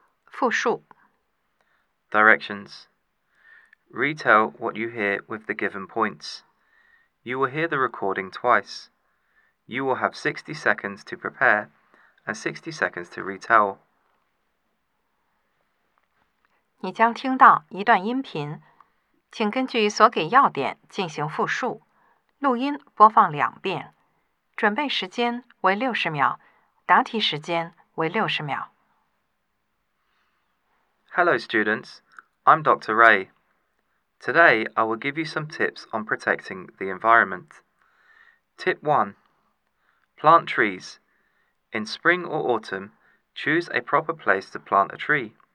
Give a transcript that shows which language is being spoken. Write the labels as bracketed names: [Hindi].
[Chinese] 复述。 [English] Directions. Retell what you hear with the given points. You will hear the recording twice. You will have 60 seconds to prepare and 60 seconds to retell. [Chinese] 你将听到一段音频，请根据所给要点进行复述。录音播放两遍，准备时间为60秒，答题时间为60秒。 [English] Hello students, I'm Dr. Ray. Today I will give you some tips on protecting the environment. Tip 1. Plant trees. In spring or autumn, choose a proper place to plant a tree.